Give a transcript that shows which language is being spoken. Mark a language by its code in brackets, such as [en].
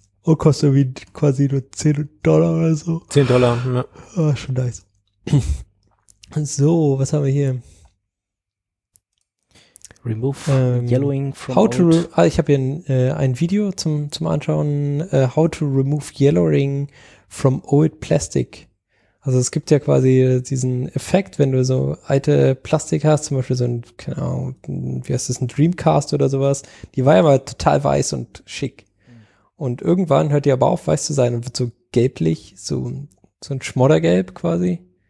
[de] Und kostet wie quasi nur $10 oder so. $10, ja. Oh, schon nice. So, was haben wir hier? [en] Remove yellowing from how to [de] ich habe hier ein Video zum Anschauen. [en] How to remove yellowing from old plastic. [de] Also es gibt ja quasi diesen Effekt, wenn du so alte Plastik hast, zum Beispiel so ein, keine Ahnung, wie heißt das, ein Dreamcast oder sowas. Die war ja mal total weiß und schick. Und irgendwann hört die aber auf, weiß zu sein, und wird so gelblich, so ein Schmoddergelb quasi.